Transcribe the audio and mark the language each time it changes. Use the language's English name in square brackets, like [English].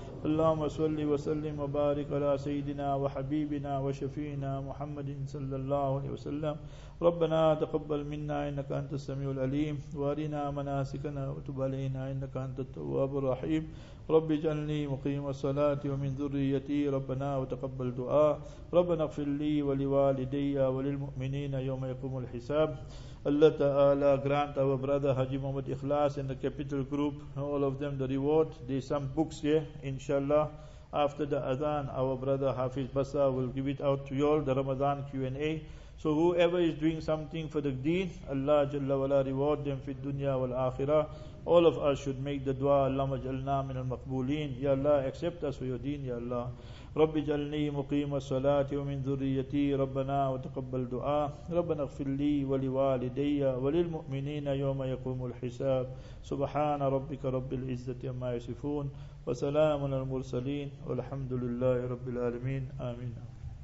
[Arabic] اللهم صل وسلم وبارك على سيدنا وحبيبنا وشفينا محمد صلى الله عليه وسلم ربنا تقبل منا إنك أنت السميع العليم وارنا مناسكنا وتب علينا إنك أنت التواب الرحيم رب اجعلني مقيم الصلاة ومن ذريتي ربنا وتقبل دعاء ربنا اغفر لي ولوالدي وللمؤمنين يوم يقوم الحساب [English] Allah Ta'ala grant our brother Haji Muhammad Ikhlas and the Capital Group, all of them, the reward. There's some books here, inshallah. After the Adhan, our brother Hafiz Basa will give it out to you all, the Ramadan Q&A. So whoever is doing something for the deen, Allah Jalla Wala reward them [Arabic] fi dunya wal akhirah. [English] All of us should make the dua, [Arabic] Allahumma jalna min al-maqbooleen. [English] Ya Allah, accept us for your deen, Ya Allah. [Arabic] رب اجعلني مقيم الصلاة ومن ذريتي ربنا وتقبل دعاء ربنا اغفر لي ولوالدي وللمؤمنين يوم يقوم الحساب سبحان ربك رب العزة عما يصفون وسلام على المرسلين والحمد لله رب العالمين آمين